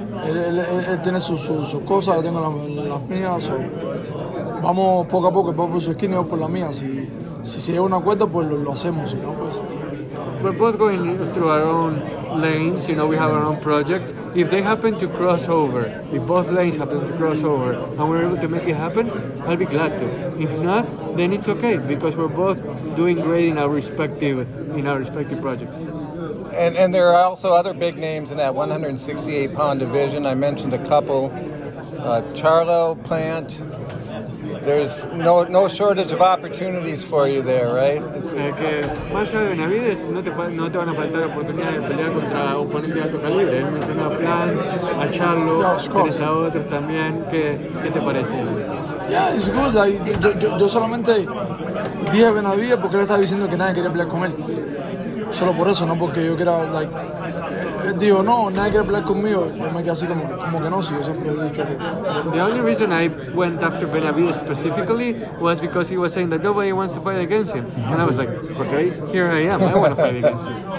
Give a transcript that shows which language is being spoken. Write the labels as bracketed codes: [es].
[es] Él tiene su cosa, yo tengo las mías, so... Vamos poco a poco, vamos por su esquina y por la mía. Si se lleva un acuerdo, pues lo hacemos, si no, pues... [en] We're both going through our own lanes, you know, we have our own projects. If they happen to cross over, if both lanes happen to cross over, and we're able to make it happen, I'll be glad to. If not, then it's okay, because we're both doing great in our respective projects. And there are also other big names in that 168-pound division. I mentioned a couple. Charlo, Plant... There's no shortage of opportunities for you there, right? [es] It's que más allá de Benavidez, no te van a faltar oportunidades de pelear contra oponentes de alto calibre. Mencionó a Plan, a Charlo, tienes a otros también. ¿Qué te parece? [en] Yeah, it's good. [es] Yo solamente dije Benavidez porque él estaba diciendo que nadie quería pelear con él. Solo por eso, no porque yo quiera, like, digo, no, nadie quiere pelear conmigo. Yo me quedé así como, como que no, si yo siempre he dicho que... [en] The only reason I went after Benavidez specifically was because he was saying that nobody wants to fight against him. And I was like, okay, here I am. I want to fight against you.